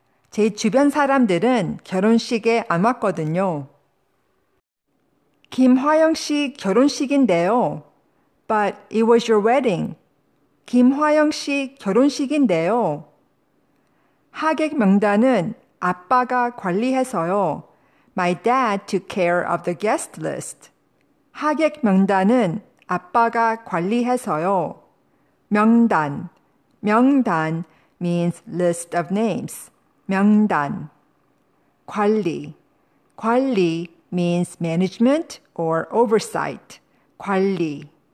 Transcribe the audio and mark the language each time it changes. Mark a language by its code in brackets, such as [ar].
[ko] 제 주변 사람들은 결혼식에 안 왔거든요. 김화영 씨 결혼식인데요. [en] But it was your wedding. [ko] 김화영 씨 결혼식인데요. 하객 명단은 아빠가 관리해서요. [en] My dad took care of the guest list. [ko] 하객 명단은 아빠가 관리해서요. [en] 명단. 명단 means list of names. 명단. 관리. 관리 means management or oversight. 관리.